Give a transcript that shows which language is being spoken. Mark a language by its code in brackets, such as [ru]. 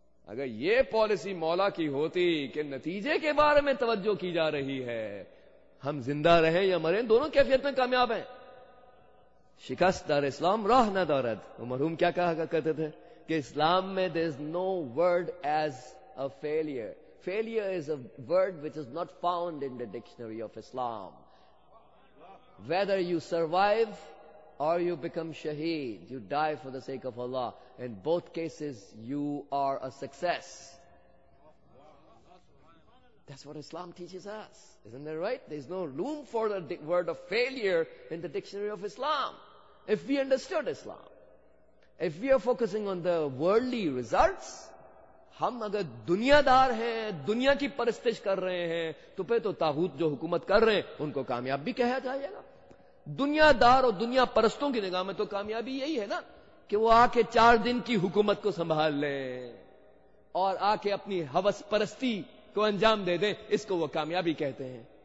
[ur] اگر یہ پالیسی مولا کی ہوتی کہ نتیجے کے بارے میں توجہ کی جا رہی ہے, ہم زندہ رہیں یا مریں دونوں کیفیت میں کامیاب ہیں. [fa] شکست دار اسلام راہ نہ دارد. [ur] مرحوم کیا کہا کرتے تھے کہ اسلام میں [en] there is no word as a failure. Failure is a word which is not found in the dictionary of Islam. Whether you survive or you become shaheed, you die for the sake of Allah. In both cases, you are a success. That's what Islam teaches us. Isn't that right? There's no room for the word of failure in the dictionary of Islam. If we understood Islam, if we are focusing on the worldly results, [ur] ہم اگر دنیا دار ہیں, دنیا کی پرستش کر رہے ہیں, تو پھر تو تاغوت جو حکومت کر رہے ہیں, ان کو کامیاب بھی کہا جائے گا. دنیا دار اور دنیا پرستوں کی نگاہ میں تو کامیابی یہی ہے نا کہ وہ آ کے 4 دن کی حکومت کو سنبھال لیں اور آ کے اپنی حوث پرستی کو انجام دے دیں, اس کو وہ کامیابی کہتے ہیں.